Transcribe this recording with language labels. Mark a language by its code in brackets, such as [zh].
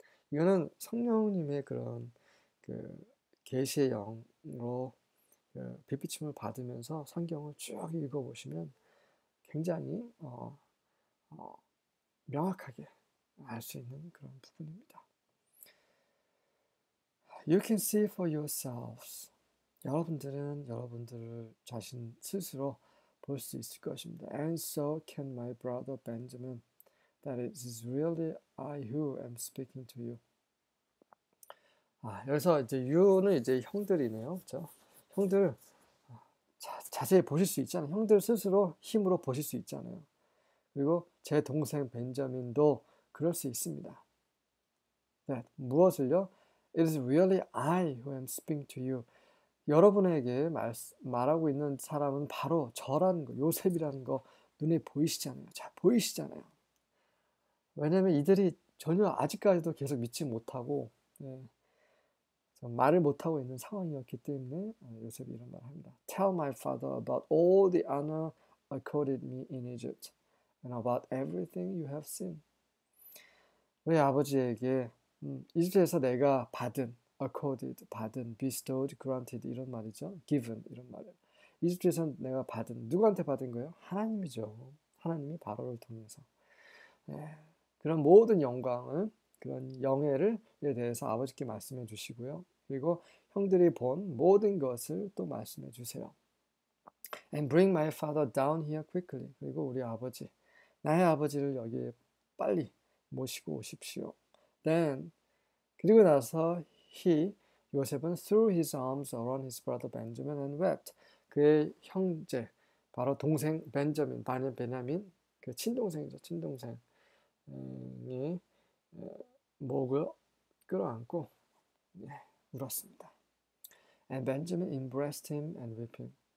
[ko] 이거는 성령님의 그런 계시의 영으로 빛비침을 받으면서 성경을 쭉 읽어보시면 굉장히 명확하게 알수 있는 그런 부분입니다. [en] You can see for yourselves. [ko] 여러분들은 여러분들을 자신 스스로 볼수 있을 것입니다. [en] And so can my brother Benjamin. That it is really I who am speaking to you. [ko] 여기서 이제 you는 이제 형들이네요. 그렇죠? 형들 자세히 보실 수 있잖아요. 형들 스스로 힘으로 보실 수 있잖아요. 그리고 제 동생 벤자민도 그럴 수 있습니다. 네, 무엇을요? [en] It is really I who am speaking to you. [ko] 여러분에게 말하고 있는 사람은 바로 저라는 거, 요셉이라는 거 눈에 보이시잖아요. 잘 보이시잖아요. 왜냐하면 이들이 전혀 아직까지도 계속 믿지 못하고 말을 못하고 있는 상황이었기 때문에 요셉이 이런 말을 합니다. [en] Tell my father about all the honor accorded me in Egypt and about everything you have seen. [ko] 우리 아버지에게 이집트에서 내가 받은, accorded, 받은, bestowed, granted 이런 말이죠. given 이런 말이에요. 이집트에서 내가 받은, 누구한테 받은 거예요? 하나님이죠. 하나님이 바로를 통해서. 그런 모든 영광을, 그런 영예를에 대해서 아버지께 말씀해 주시고요. 그리고 형들이 본 모든 것을 또 말씀해 주세요. [en] And bring my father down here quickly. [ko] 그리고 우리 아버지, 나의 아버지를 여기에 빨리 모시고 오십시오. [en] Then, [ko] 그리고 나서 요셉은 [en] threw his arms around his brother Benjamin and wept. [ko] 그의 형제, 바로 동생 벤자민, 베냐민, 그 친동생이죠, 친동생이 목을 끌어안고 울었습니다. [en] And Benjamin embraced him and weeping.